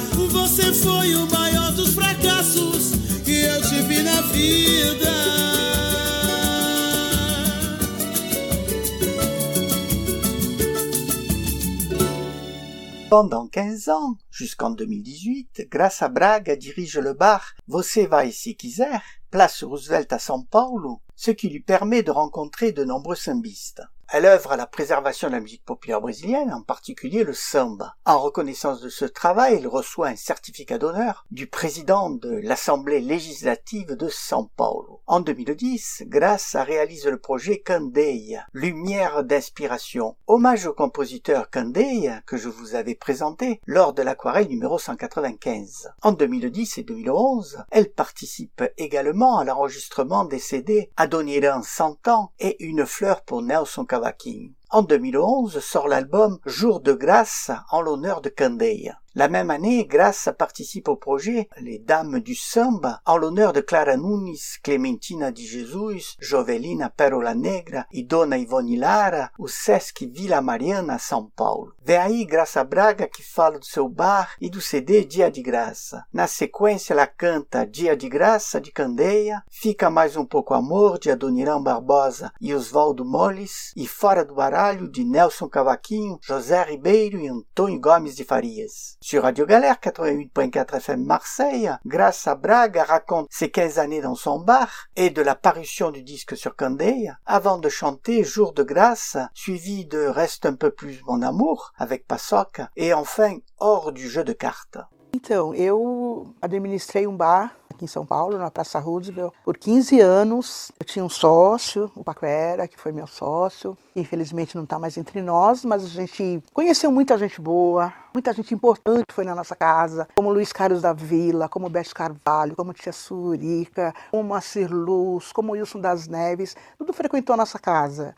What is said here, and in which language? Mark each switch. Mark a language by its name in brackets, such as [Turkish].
[Portuguese] Você foi o maior dos fracassos que eu tive na vida. [French] Pendant 15 ans, jusqu'en 2018, grâce à Braga dirige le bar Você vai si quiser, place Roosevelt à São Paulo, ce qui lui permet de rencontrer de nombreux sambistes. Elle œuvre à la préservation de la musique populaire brésilienne, en particulier le samba. En reconnaissance de ce travail, il reçoit un certificat d'honneur du président de l'Assemblée législative de São Paulo. En 2010, Graça réalise le projet Candeia, lumière d'inspiration. Hommage au compositeur Candeia, que je vous avais présenté lors de l'aquarelle numéro 195. En 2010 et 2011, elle participe également à l'enregistrement des CD Adoniran 100 ans et Une fleur pour Nelson Cavaquinho. En 2011 sort l'album Jour de Grâce en l'honneur de Candeia. La même année, Grâce participe au projet Les Dames du Samba en l'honneur de Clara Nunes, Clementina de Jesus, Jovelina Perola Negra et Dona Ivone Lara au Sesc Vila Mariana à São Paulo. [Portuguese] Vem aí Graça Braga qui fala do seu bar e do CD Dia de Graça. Na sequência, ela canta Dia de Graça de Candeia, Fica Mais Um Pouco Amor de Adoniran Barbosa e Osvaldo Molis e Fora do Baralho de Nelson Cavaquinho, José Ribeiro e Antônio Gomes de Farias. [French] Sur Radio Galère 88.4 FM Marseille, Graça Braga raconte ses 15 années dans son bar et de la parution du disque sur Candeia avant de chanter Jour de Grâce, suivi de Reste un peu plus mon amour avec Paçoca et enfin Hors du jeu de cartes. [Portuguese] Então, eu administrei um bar aqui em São Paulo, na Praça Roosevelt, por 15 anos. Eu tinha um sócio, o Paco Era, que foi meu sócio. Infelizmente não está mais entre nós, mas a gente conheceu muita gente boa, muita gente importante foi na nossa casa, como Luiz Carlos da Vila, como Beth Carvalho, como Tia Surica, como Moacir Luz, como Wilson das Neves, tudo frequentou a nossa casa.